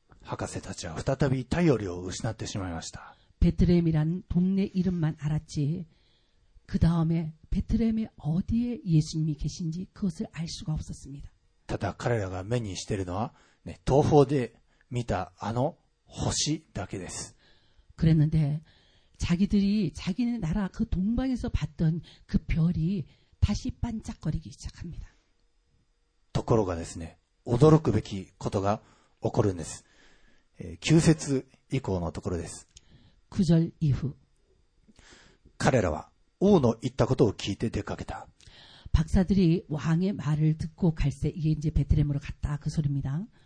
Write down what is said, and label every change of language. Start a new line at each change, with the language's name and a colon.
Japanese: 博士たちは再び頼りを失ってしまいました。
Korean: 베트레헴이라는동네이름만알았지그다음에베트레헴이어디에예수님이계신지그것을알수가없었습니다
Japanese: ただ彼らが目にしているのは、ね、東方で見たあの星だけです
Korean: 그랬는데자기들이자기네나라그동방에서봤던그별이다시반짝거리기시작합니다
Japanese: ところがですね驚くべきことが起こるんです旧説以降のところです
Korean: 9절이후
Japanese: 彼らは王の言ったことを聞いて出かけた
Korean: 박사들이왕의말을듣고갈새이게이제베트렘으로갔다그소리입니다